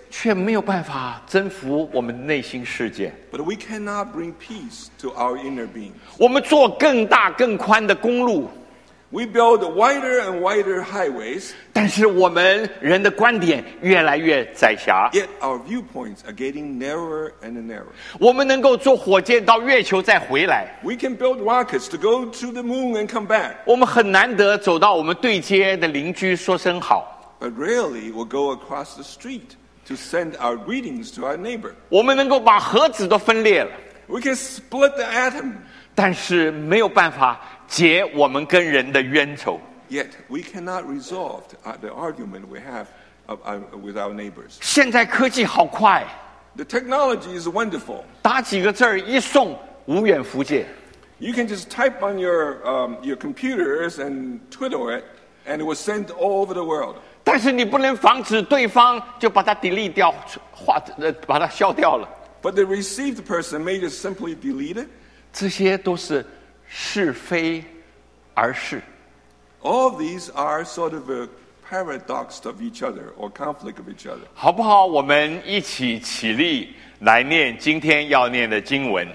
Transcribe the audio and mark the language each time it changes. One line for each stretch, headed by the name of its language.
Chinese: 却没有办法征服我们内心世界。
English: But we cannot bring peace to our inner being.
Chinese: 我们做更大更宽的公路。
English: We build wider and wider highways.
Chinese: 但是我们人的观点越来越窄狭。
English: Yet our viewpoints are getting narrower and narrower.
Chinese: 我们能够坐火箭到月球再回来。
English: We can build rockets to go to the moon and come back.
Chinese: 我们很难得走到我们对街的邻居说声好。
English: But rarely we'll go across the street to send our greetings to our neighbor.
Chinese: 我们能够把核子都分裂了。
English: We can split the atom.
Chinese: 但是没有办法解我们跟人的冤仇。
English: Yet we cannot resolve the argument we have with our neighbors.
Chinese: 现在科技好快。
English: The technology is wonderful.
Chinese: 打几个字一送无远弗届。
English: You can just type on your computers and twiddle it and it will send all over the world.
Chinese: 但是你不能防止对方就把它 delete 掉，把它消掉了。
English: But the received person may just simply delete it.
Chinese: 这些都是是非而是。
English: All these are sort of a paradox of each other or conflict of each other.
Chinese: 好不好？我们一起起立来念今天要念的经文。